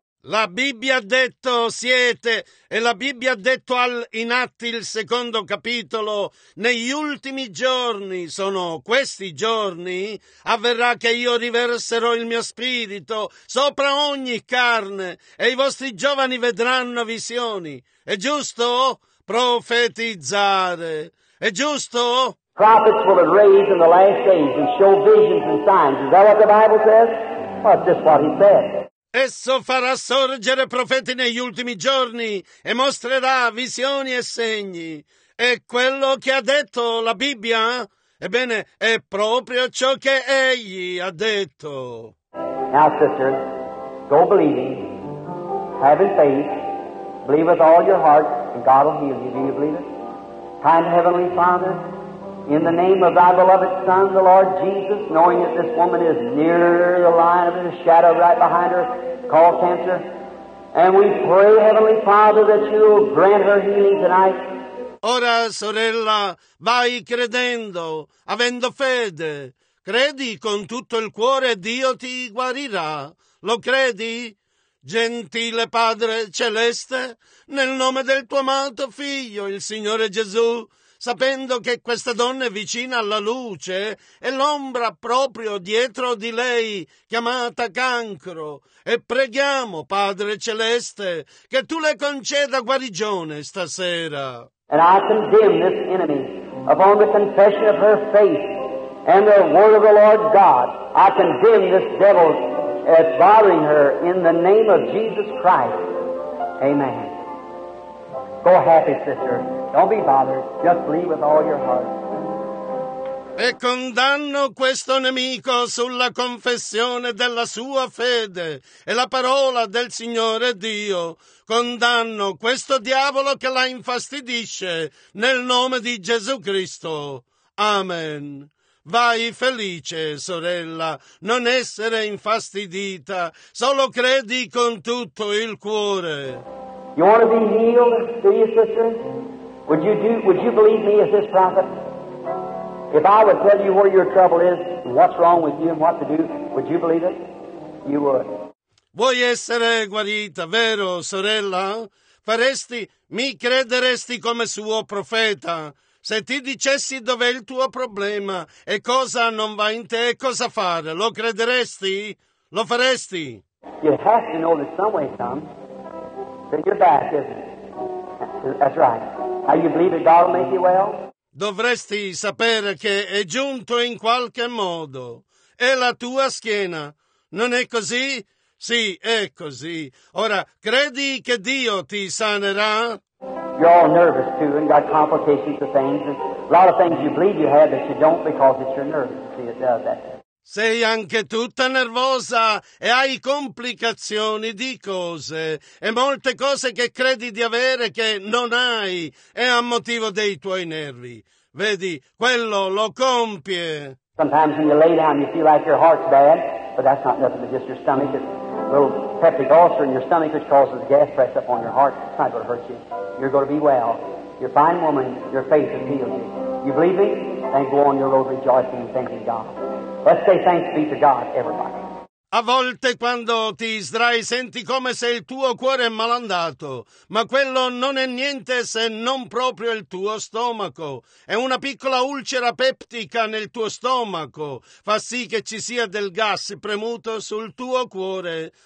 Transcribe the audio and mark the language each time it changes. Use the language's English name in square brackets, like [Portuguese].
[Italian] La Bibbia ha detto siete, e la Bibbia ha detto in Atti il secondo capitolo, negli ultimi giorni, sono questi giorni, avverrà che io riverserò il mio spirito sopra ogni carne e i vostri giovani vedranno visioni. È giusto profetizzare? È giusto? [English] Prophets will arise in the last days and show visions and signs. Is that what the Bible says? Or just what he said? [Italian] Esso farà sorgere profeti negli ultimi giorni e mostrerà visioni e segni. È quello che ha detto la Bibbia? Ebbene, è proprio ciò che egli ha detto. [English] Now, sister, go believing, having faith, believe with all your heart, and God will heal you. Do you believe it? Kind Heavenly Father, in the name of thy beloved Son, the Lord Jesus, knowing that this woman is near the line of the shadow right behind her, called cancer. And we pray, Heavenly Father, that you will grant her healing tonight. [Italian] Ora, sorella, vai credendo, avendo fede. Credi con tutto il cuore, Dio ti guarirà. Lo credi? Gentile Padre Celeste, nel nome del tuo amato Figlio, il Signore Gesù, sapendo che questa donna è vicina alla luce e l'ombra proprio dietro di lei, chiamata cancro. E preghiamo, Padre Celeste, che tu le conceda guarigione stasera. [English] And I condemn this enemy upon the confession of her faith and the word of the Lord God. I condemn this devil as bothering her in the name of Jesus Christ. Amen. Go happy, sister. Don't be bothered. Just believe with all your heart. [Italian] E condanno questo nemico sulla confessione della sua fede e la parola del Signore Dio. Condanno questo diavolo che la infastidisce nel nome di Gesù Cristo. Amen. Vai felice, sorella. Non essere infastidita. Solo credi con tutto il cuore. [English] You want to be healed, do you, sister? Would you believe me as this prophet? If I would tell you where your trouble is, and what's wrong with you, and what to do, would you believe it? You would. [Italian] Vuoi essere guarita, vero, sorella? Faresti, mi crederesti come suo profeta? Se ti dicessi dov'è il tuo problema, e cosa non va in te, cosa fare? Lo crederesti? Lo faresti? [English] You have to know that some way comes. Then you're back, isn't it? That's right. Now you believe that God will make you well? [Italian] Dovresti sapere che è giunto in qualche modo. È la tua schiena. Non è così? Sì, è così. Ora, credi che Dio ti sanerà? [English] You're all nervous too and got complications of things. And a lot of things you believe you have that you don't because it's your nerves. See, it does that. [Italian] Sei anche tutta nervosa e hai complicazioni di cose e molte cose che credi di avere che non hai e a motivo dei tuoi nervi. Vedi, quello lo compie. [English] Sometimes when you lay down you feel like your heart's bad, but that's not nothing but just your stomach. It's a little peptic ulcer in your stomach which causes gas press up on your heart. It's not going to hurt you. You're going to be well. You're a fine woman. Your faith has healed you. You believe me? Then go on your road rejoicing and thanking God. Let's say thanks be to God, everybody. [Italian] A volte quando ti sdrai senti come se il tuo cuore è malandato, ma quello non è niente se non proprio il tuo stomaco. È una piccola ulcera peptica nel tuo stomaco. Fa sì che ci sia del gas premuto sul tuo cuore.